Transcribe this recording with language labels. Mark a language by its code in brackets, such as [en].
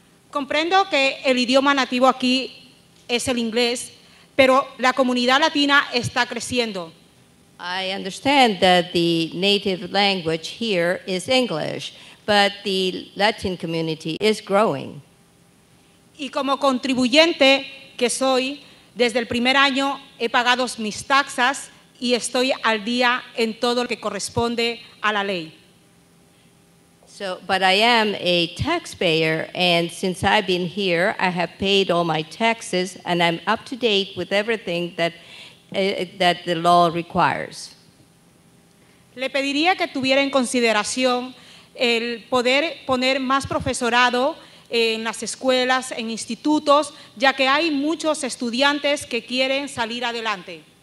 [es] Comprendo que el idioma nativo aquí es el inglés, pero la comunidad latina está creciendo. [en] I understand that the native language here is English, but the Latin community is growing. [es] Y como contribuyente que soy, desde el primer año he pagado mis taxas y estoy al día en todo lo que corresponde a la ley. [en] So, but I am a taxpayer, and since I've been here, I have paid all my taxes, and I'm up to date with everything that that the law requires. [es] Le pediría que tuviera en consideración el poder poner más profesorado en las escuelas, en institutos, ya que hay muchos estudiantes que quieren salir adelante.